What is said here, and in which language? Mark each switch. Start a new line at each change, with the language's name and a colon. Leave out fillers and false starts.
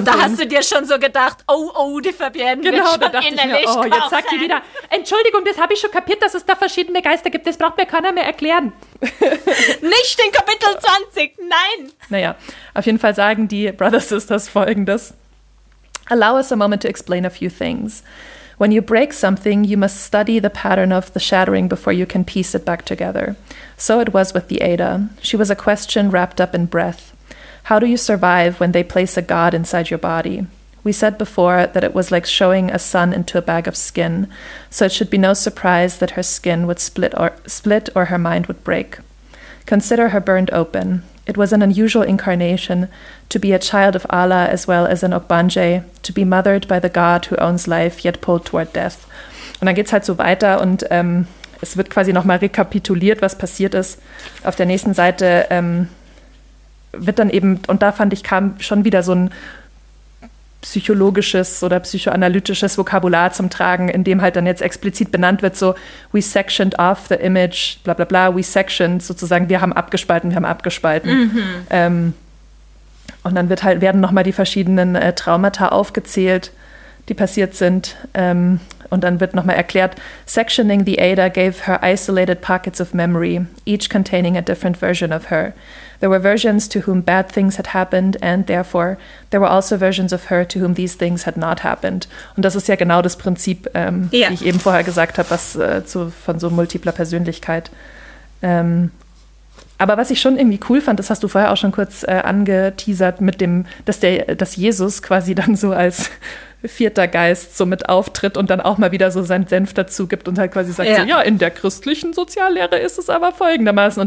German: Und da hast du dir schon so gedacht, oh, die Fabienne wird schon innerlich kochen. Jetzt sagt die wieder, Entschuldigung, das habe ich schon kapiert, dass es da verschiedene Geister gibt. Das braucht mir keiner mehr erklären. Nicht in Kapitel 20, nein. Naja, auf jeden Fall sagen die Brother Sisters Folgendes.
English: Allow us a moment to explain a few things. When you break something, you must study the pattern of the shattering before you can piece it back together. So it was with the Ada. She was a question wrapped up in breath. How do you survive when they place a god inside your body? We said before that it was like showing a sun into a bag of skin, so it should be no surprise that her skin would split or her mind would break. Consider her burned open. It was an unusual incarnation, to be a child of Allah as well as an Ogbanje, to be mothered by the god who owns life, yet pulled toward death.
German: Und dann geht's halt so weiter und es wird quasi nochmal rekapituliert, was passiert ist. Auf der nächsten Seite wird dann eben, und da fand ich, kam schon wieder so ein psychologisches oder psychoanalytisches Vokabular zum Tragen, in dem halt dann jetzt explizit benannt wird,
English: so we sectioned off the image, bla bla bla, we sectioned,
German: sozusagen, wir haben abgespalten. Mhm. Und dann werden nochmal die verschiedenen Traumata aufgezählt, die passiert sind. Und dann wird nochmal erklärt,
English: sectioning the Ada gave her isolated pockets of memory, each containing a different version of her. There were versions to whom bad things had happened and therefore there were also versions of her to whom these things had not happened.
German: Und das ist ja genau das Prinzip, yeah, wie ich eben vorher gesagt habe, was von so multipler Persönlichkeit. Aber was ich schon irgendwie cool fand, das hast du vorher auch schon kurz angeteasert, mit dem, dass Jesus quasi dann so als vierter Geist so mit auftritt und dann auch mal wieder so seinen Senf dazu gibt und halt quasi sagt, ja, so, ja, in der christlichen Soziallehre ist es aber folgendermaßen.